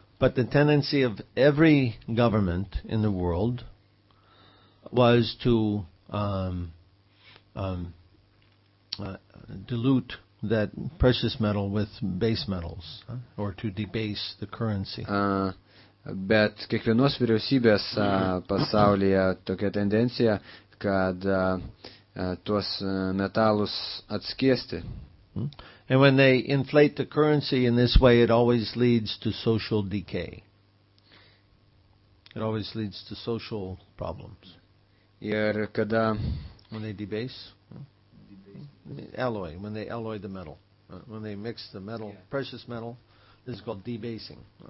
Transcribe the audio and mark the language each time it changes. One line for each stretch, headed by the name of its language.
English: But the tendency of every government in the world was to dilute that precious metal with base metals, or to debase the currency.
Lithuanian: Bet kiekvienos vyriausybės pasaulyje tokia tendencija, kad tuos metalus atskiesti.
English: And when they inflate the currency in this way, it always leads to social decay. It always leads to social problems.
Lithuanian: Ir kada
English: when they debase alloy, when they alloy the metal, when they mix the metal, precious metal, this is called debasing.